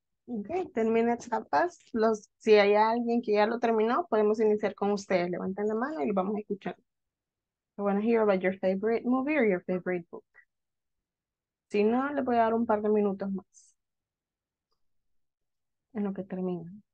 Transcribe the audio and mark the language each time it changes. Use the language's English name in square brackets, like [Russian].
[Spanish] Ok, [English] 10 minutes have passed. [Spanish] Si hay alguien que ya lo terminó, podemos iniciar con ustedes. Levanten la mano y lo vamos a escuchar. [English] I want to hear about your favorite movie or your favorite book. [Spanish] Si no, le voy a dar un par de minutos más en lo que termina.